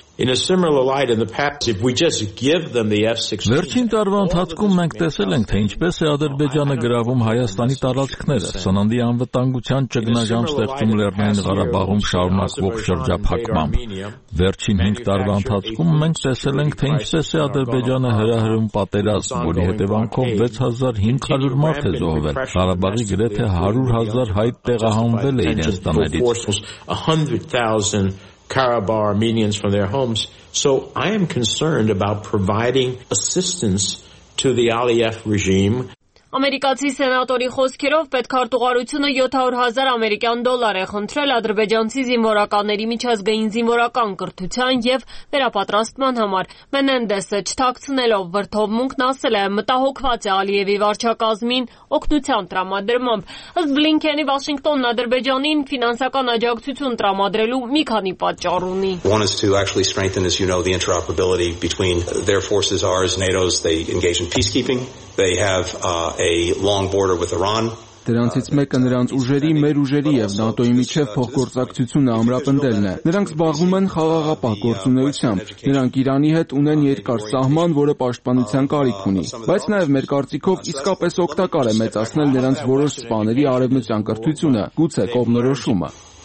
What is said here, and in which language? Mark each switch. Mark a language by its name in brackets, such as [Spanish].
[English] In a similar light in the past, if we just give them the F-16. [Armenian] Վերջին տարվա ընթացքում մենք տեսել ենք, թե ինչպես է Ադրբեջանը գրավում Հայաստանի տարածքները, սննդի անվտանգության ճգնաժամ ստեղծում Լեռնային Ղարաբաղում շարունակվող շրջափակմամբ։ Վերջին 5 տարվա ընթացքում մենք տեսել ենք, թե ինչպես է Ադրբեջանը հրահրում պատերազմ, որի հետևանքով 6500 մարդ է զոհվել, Ղարաբաղի գրեթե 100,000 հայ տեղահանվել է իրենց տներից։ [English] Karabakh Armenians from their homes, so I am concerned about providing assistance to the Aliyev regime. [Armenian] Ամերիկացի սենատորի խոսքերով պետքարտուղարությունը 700,000 ամերիկյան դոլար է խնդրել ադրբեջանցի զինվորականների միջազգային զինվորական կրթության և վերապատրաստման համար։ Մենենդեսը, չթաքցնելով վրդովմունքն, ասել է, մտահոգված է Ալիևի վարչակազմին օգնության տրամադրմամբ։ Ըստ Բլինքենի, Վաշինգտոնն Ադրբեջանին ֆինանսական աջակցություն տրամադրելու մի քանի պատճառ ունի. [English] One is to actually strengthen, as you know, the interoperability between their forces, ours, NATO's. They engage in peacekeeping. They have a long border with Iran. [Armenian] Դրանցից մեկը նրանց ուժերի, մեր ուժերի և ՆԱՏՕ-ի միջև փոխգործակցությունը ամրապնդելն է։ Նրանք զբաղվում են խաղաղապահ գործունեությամբ։ Նրանք Իրանի հետ ունեն երկար սահման, որը պաշտպանության կարիք ունի, բայց նաև մեր կարծիքով իսկապես օգտակար է մեծացնել նրանց որոշ սպաների արևմտյան կրթությունը, գուցե կողմնորոշումը։